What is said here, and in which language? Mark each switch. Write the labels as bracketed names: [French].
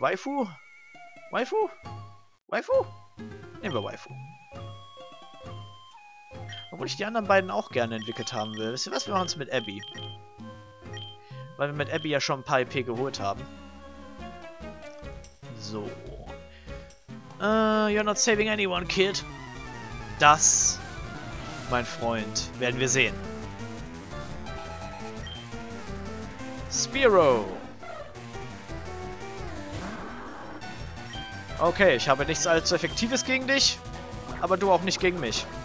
[German] Waifu? Waifu? Waifu? Nehmen wir Waifu. Obwohl ich die anderen beiden auch gerne entwickelt haben will. Wisst ihr was? Wir machen es mit Abby. Weil wir mit Abby ja schon ein paar EP geholt haben. So. [English] You're not saving anyone, kid. [German] Das, mein Freund, werden wir sehen. Spearow. Okay, ich habe nichts allzu Effektives gegen dich, aber du auch nicht gegen mich.